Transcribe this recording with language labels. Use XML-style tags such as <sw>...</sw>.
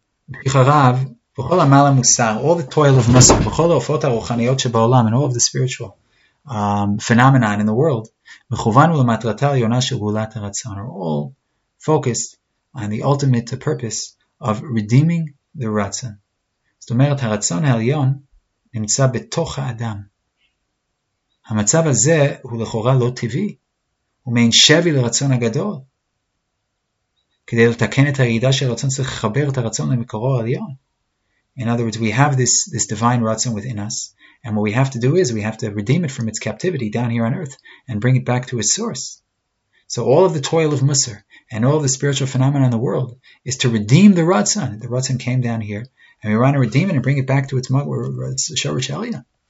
<en>B'chicharav,</en> <he>בכל המעל המוסר,</he> <en>all the toil of Musa,</en> <he>בכל האופות הרוחניות שבעולם,</he> <en>and all of the spiritual phenomenon in the world,</en> <he>מכוונו למטרתה העליונה של גאולת הרצון,</he> <en>are all focused on the ultimate purpose of redeeming the רצון.</en> <he>זאת אומרת, הרצון העליון נמצא בתוך האדם. המצב הזה הוא לכאורה לא טבעי, הוא מעין שבי לרצון הגדול. כדי לתקן את הירידה של הרצון, צריך לחבר את הרצון למקורו העליון.</he> <en>In other words, we have this divine Ratzon within us, and what we have to do is we have to redeem it from its captivity down here on earth and bring it back to its source. So all of the toil of Musar and all of the spiritual phenomena in the world is to redeem the Ratzon. The Ratzon came down here, and we want to redeem it and bring it back to its Shorash Elyon.</en>